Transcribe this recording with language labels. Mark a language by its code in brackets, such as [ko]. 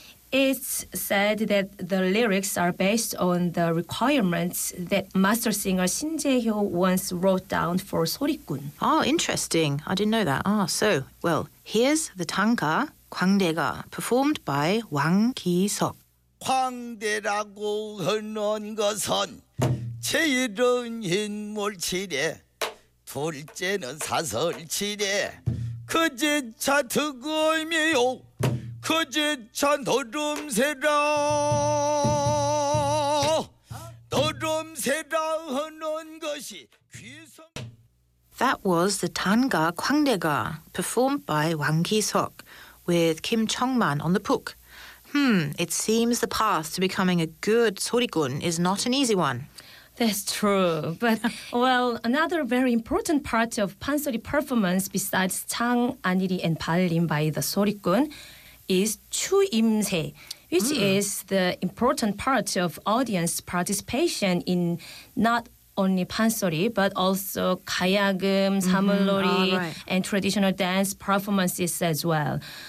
[en] It's said that the lyrics are based on the requirements that master singer Shin Jae-hyo once wrote down for Sori-kun. Oh, interesting. I didn't know that. Well, here's the 단가, 광대가, performed by Wang Ki-seok. [ko] 광대라고 하는 것은 제 이름 인물치래 둘째는 사설치래 그제차 득음이요 그제차 노름새라 노름새라 하는 것이 귀성. [en] That was the 단가 광대가 performed by Wang Ki-seok with Kim Chung-man on the puk. It seems the path to becoming a good sorigun is not an easy one. That's true. But, well, another very important part of pansori performance besides chang, anili, and palim by the sorigun is chuimse, which is the important part of audience participation in not only pansori, but also kayagum, samulori, and traditional dance performances as well.